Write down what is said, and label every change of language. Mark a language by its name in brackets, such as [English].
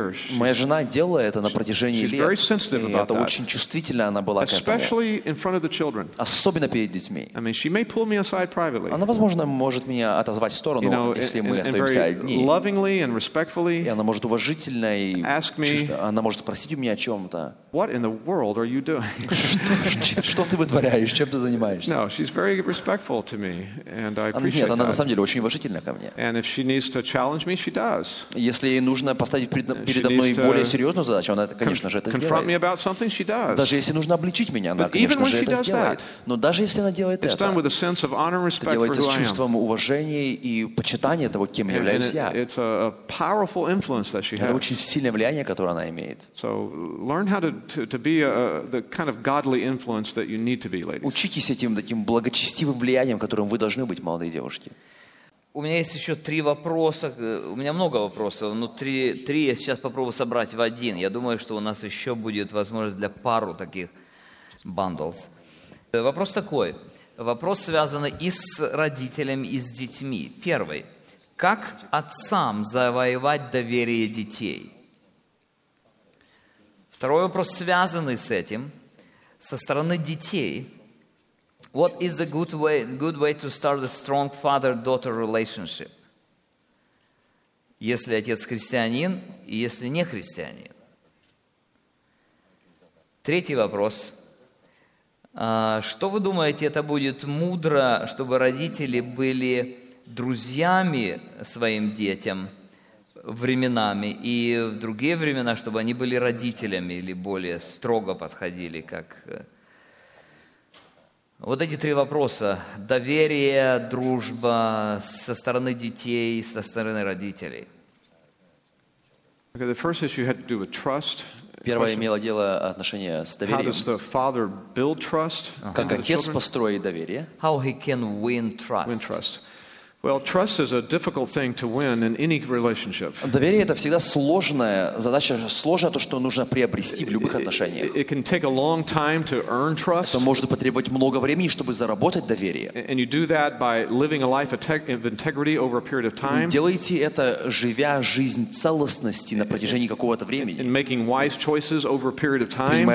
[Russian] Моя жена делала это на протяжении лет, и это очень чувствительно она была к этому. Особенно перед детьми. Она, возможно, может меня отозвать в сторону, если мы остаемся одни. И она может уважительно и она может спросить у меня о чем-то. [English] What in the world are you doing? [Russian] Что ты вытворяешь? Чем ты занимаешься? [English] No, she's very respectful to me, and I appreciate that. [Russian] Нет, она на самом деле очень уважительна ко мне. [English] And if she needs to challenge me, she does. [Russian] Если ей нужно поставить передо мной более серьезную задачу, она, конечно же, это сделает. [English] Confront me about something, she does. [Russian] Даже если нужно обличить меня, она, конечно же, это сделает. Но даже если она делает это, [English] it's done with a sense of honor and respect for who I am. [Russian] Это делается с чувством уважения и почитания того, кем являюсь я. [English] It's a powerful influence that she has. [Russian] Это очень сильное влияние, которое она имеет. [English] So learn how to be the kind of godly influence that you need to be, ladies. [Russian] Учитесь этим таким благочестивым влиянием, которым вы должны быть, молодые девушки. У меня есть еще три вопроса. У меня много вопросов, но три я сейчас попробую собрать в один. Я думаю, что у нас еще будет возможность для пару таких бандлс. Вопрос такой. Вопрос связан и с родителями, и с детьми. Первый. Как отцам завоевать доверие детей? Второй вопрос, связанный с этим, со стороны детей. [English] What is a good way to start a strong father-daughter relationship? [Russian] Если отец христианин, и если не христианин. Третий вопрос. Что вы думаете, это будет мудро, чтобы родители были друзьями своим детям? Временами и в другие времена, чтобы они были родителями или более строго подходили, как вот эти три вопроса: доверие, дружба со стороны детей, со стороны родителей. [English] Okay, the first issue had to do with trust. [Russian] Первое имело дело отношение с доверием. [English] How does the father build trust? [Russian] Как отец построит доверие? [English] How he can win trust? Win trust. Well, trust is a difficult thing to win in any relationship. [Russian] Доверие это всегда сложная задача, сложно то, что нужно приобрести в любых отношениях. [English] It can take a long time to earn trust. [Russian] Это может потребовать много времени, чтобы заработать доверие. [English] And you do that by living a life of integrity over a period of time. [Russian] Делаете это, живя жизнь целостности на протяжении какого-то времени. [English] And making wise choices over a period of time.